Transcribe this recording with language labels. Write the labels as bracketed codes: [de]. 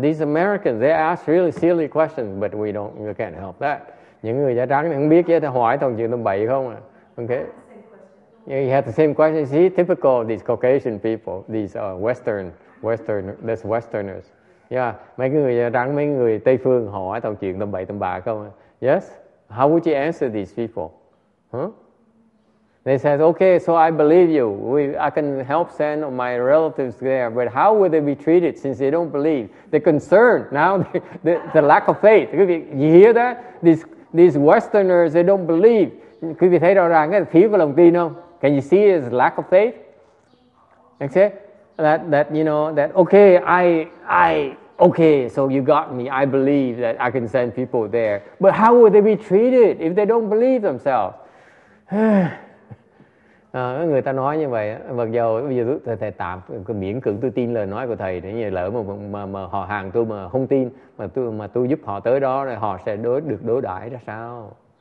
[en] These Americans, they ask really silly questions, but we can't help that. [vi] Những người da trắng không biết, thì hỏi toàn chuyện tầm bậy không à. [en] Okay. Yeah, you have the same question. See, typical of these Caucasian people, these Western, that's Westerners. [vi] Yeah, mấy người da trắng, mấy người Tây Phương hỏi toàn chuyện tầm bậy tầm bạ không à. [en] Yes? How would you answer these people? Huh? They said, okay, so I believe you. I can help send my relatives there. But how will they be treated since they don't believe? The concern, now the lack of faith. You hear that? These Westerners, they don't believe. [vi] Quý vị thấy rõ ràng cái thiếu lòng tin không? [en] Can you see his lack of faith? Okay? That, you know, that, okay, I okay, so you got me. I believe that I can send people there. But how will they be treated if they don't believe themselves? [vi] À, người ta nói như vậy, mặc dù bây giờ thầy tạm miễn cưỡng tôi tin lời nói của thầy, nếu như lỡ mà họ hàng tôi mà không tin, mà tôi giúp họ tới đó rồi họ sẽ được đối đãi ra sao?